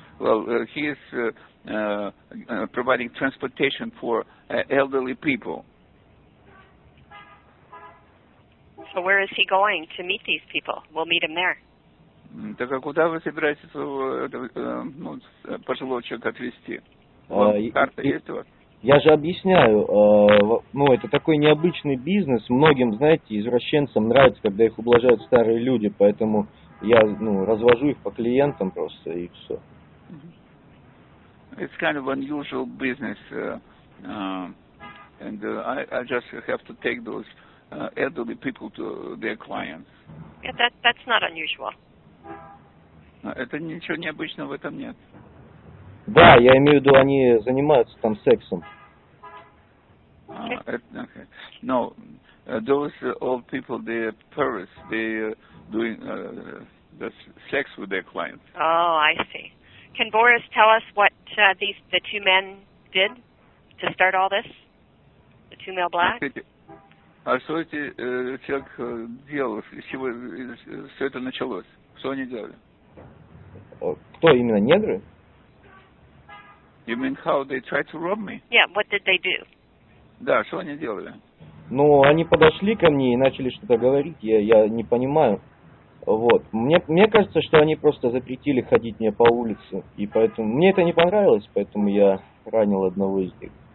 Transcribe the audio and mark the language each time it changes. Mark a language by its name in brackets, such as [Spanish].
[English] Well, he is providing transportation for elderly people. So where is he going to meet these people? We'll meet him there. [Russian] Так а куда вы собираетесь ну, пожилого человека отвезти? Карта есть у вас? Я же объясняю, ну, это такой необычный бизнес. Многим, знаете, извращенцам нравится, когда их ублажают старые люди, поэтому я, ну, развожу их по клиентам просто и все. [English] It's kind of unusual business. And I just have to take those elderly people to their clients. Yeah, that's not unusual. [Russian] Это ничего необычного в этом нет. Да, я имею в виду, они занимаются там сексом. [English] Okay. No, those old people, they're tourists, they're doing the sex with their clients. Oh, I see. Can Boris tell us what the two men did to start all this? The two male blacks? [Russian] А что эти человек делал? С чего все это началось? Что они делали? Кто именно, негры? [English] You mean how they tried to rob me? Yeah, what did they do? [Russian] Да, что они делали? Ну, они подошли ко мне и начали что-то говорить, я не понимаю. Вот. Мне кажется, что они просто запретили ходить мне по улице, и поэтому... Мне это не понравилось, поэтому я ранил одного из них.